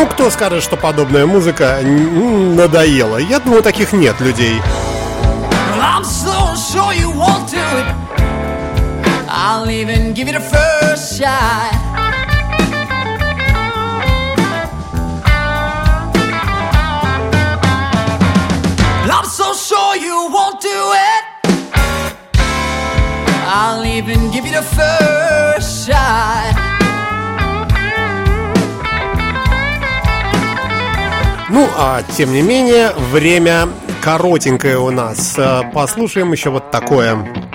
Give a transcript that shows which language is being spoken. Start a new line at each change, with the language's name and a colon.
Russian: Скажет, что подобная музыка надоела. Я думаю, таких нет людей.
English: Well, I'm so sure you won't do it. I'll even give it a first shot. Well, I'm so sure you won't do it. I'll even give it a first shot.
Russian: Ну, а тем не менее, время коротенькое у нас. Послушаем еще вот такое.